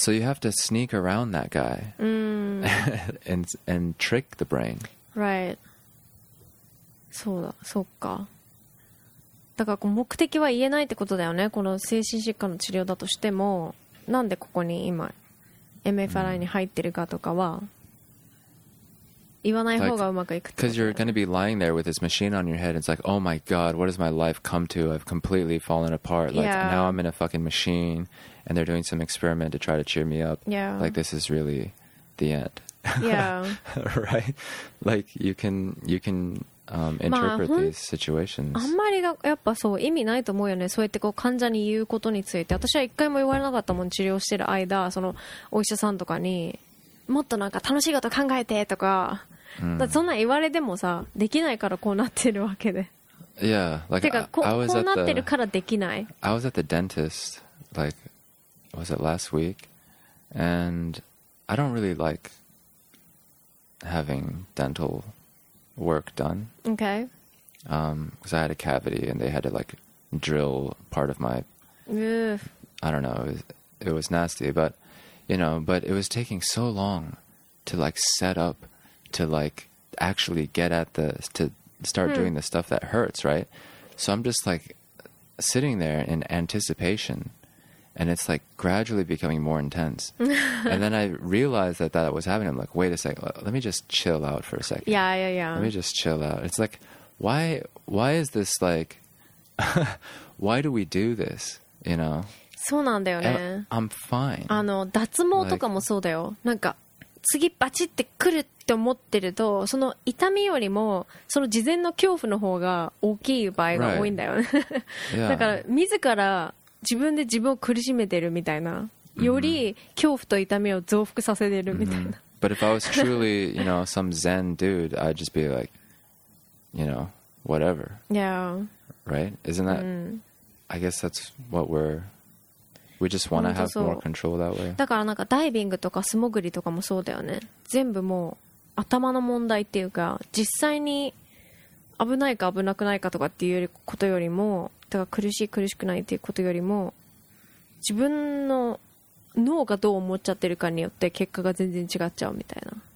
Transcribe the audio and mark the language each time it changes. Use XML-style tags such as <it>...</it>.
<en>So you have to sneak around that guy and trick the brain.</en> <ja>Right. そうだ、そっか。だからこう目的は言えないってことだよね。この精神疾患の治療だとしても、なんでここに今 MFRI に入ってるかとかは言わない方がうまくいくってことだよね。</ja> <en>Because you're going to be lying there with this machine on your head. It's like, oh my god, what has my life come to? I've completely fallen apart. Like, yeah. now I'm in a fucking machine and they're doing some experiment to try to cheer me up. Yeah. Like, this is really the end. Yeah. Right? Like you can interpret these situations.</en> <ja>あんまりがやっぱそう意味ないと思うよね。そうやってこう患者に言うことについて、私は一回も言われなかったもん。治療してる間、そのお医者さんとかにもっとなんか楽しいこと考えてとか、だそんな言われてもさ、できないからこうなってるわけで。</ja> <en>Yeah, like</en> <ja>こうなってるからできない。</ja> <en>I was at the dentist like was it last week, and I don't really like having dental. Work done. Okay. Because I had a cavity and they had to like drill part of my. Oof. I don't know. It was nasty, but you know, but it was taking so long to like set up to like actually get at the to start doing the stuff that hurts, right? So I'm just like sitting there in anticipation, and it's like gradually becoming more intense. And then I realized that was happening. I'm like, wait a second. Let me just chill out for a second. Yeah, yeah, yeah. Let me just chill out. It's like, why is this like, why do we do this? You know?</en> <ja>そうなんだよね。</ja> <en>I'm fine.</en> <ja>あの、脱毛とかもそうだよ。Like, なんか、次バチって来るって思ってると、その痛みよりも、その事前の恐怖の方が大きい場合が多いんだよね。</ja> <en>Right. Yeah.</en> <ja>だから、自ら、自分で自分を苦しめてるみたいな、より恐怖と痛みを増幅させてるみたいな。 Mm-hmm.</ja> <en>But if I was truly, you know, some Zen dude, I'd just be like, you know, whatever. Yeah. Right? Isn't that? I guess that's what we just want to have more control that way.</en> <ja>だからなんかダイビングとか素潜りとかもそうだよね。全部もう頭の問題っていうか、実際に危ないか危なくないかとかっていうことよりも。だから苦しい苦しくないっていうことよりも自分の脳がどう思っちゃってるかによって結果が全然違っちゃうみたいな。</ja>